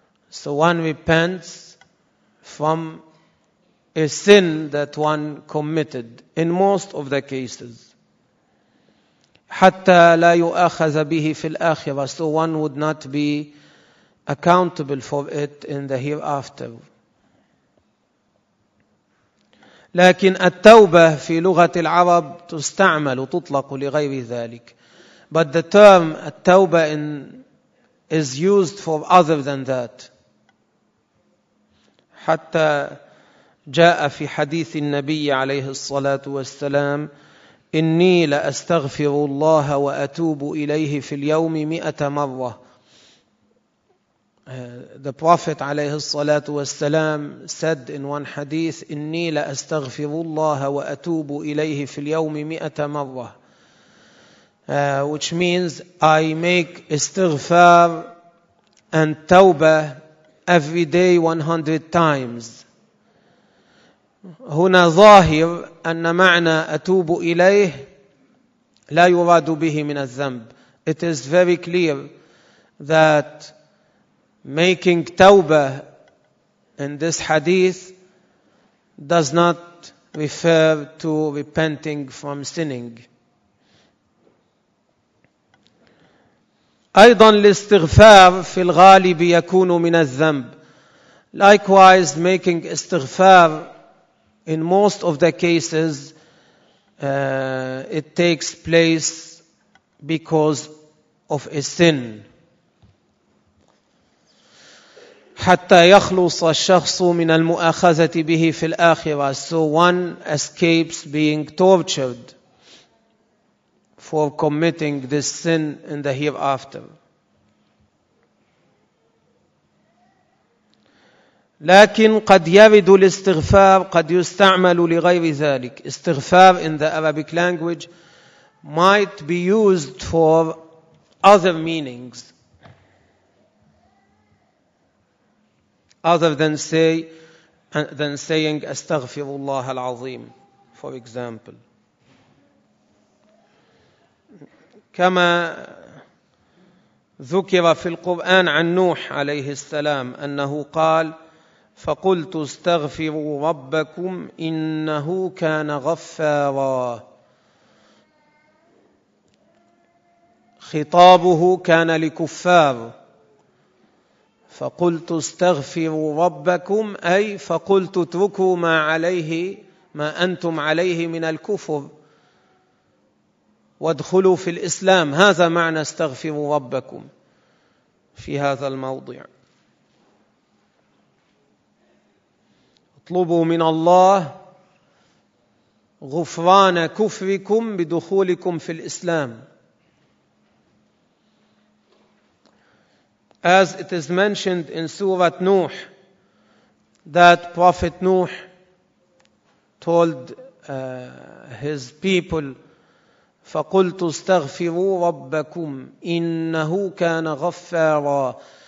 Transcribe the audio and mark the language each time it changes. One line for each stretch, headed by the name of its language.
English: So one repents from a sin that one committed in most of the cases.
Arabic: حتى لا يؤخذ به في الآخرة.
English: So one would not be accountable for it in the hereafter.
Arabic: لكن التوبة في لغة العرب تستعمل وتطلق لغير ذلك.
English: But the term التوبة is used for other than that.
Arabic: حتى جاء في حديث النبي عليه الصلاة والسلام: إني لأستغفر الله وأتوب إليه في اليوم 100 مرة.
English: The Prophet
Arabic: عليه الصلاة والسلام
English: said in one hadith:
Arabic: إني لأستغفر الله وأتوب إليه في اليوم 100 مرة.
English: Which means I make استغفار and توبة every day 100 times.
Arabic: هنا ظاهر أن معنى أتوب إليه لا يراد به من الذنب.
English: It is very clear that making tawbah in this hadith does not refer to repenting from sinning.
Arabic: أيضا الاستغفار في الغالب يكون من الذنب.
English: Likewise, making استغفار in most of the cases, it takes place because of a sin.
Arabic: حتى يخلص الشخص من المؤاخذة به في الآخرة.
English: So one escapes being tortured for committing this sin in the hereafter.
Arabic: لكن قد يرد الاستغفار قد يستعمل لغير ذلك.
English: استغفار in the Arabic language might be used for other meanings. other than saying Astaghfirullah al-Azim, for example.
Arabic: كما ذكر في القرآن عن نوح عليه السلام أنه قال فقلت استغفروا ربكم إنه كان غفارا. خطابه كان لكفار، فقلت استغفروا ربكم أي فقلت اتركوا ما عليه ما أنتم عليه من الكفر وادخلوا في الإسلام، هذا معنى استغفروا ربكم في هذا الموضع. اطلبوا من الله غفران كفركم بدخولكم في الإسلام.
English: As it is mentioned in Surah Nuh that Prophet Nuh told his people
Arabic: فَقُلْتُ اسْتَغْفِرُوا رَبَّكُمْ إِنَّهُ كَانَ غَفَّارًا.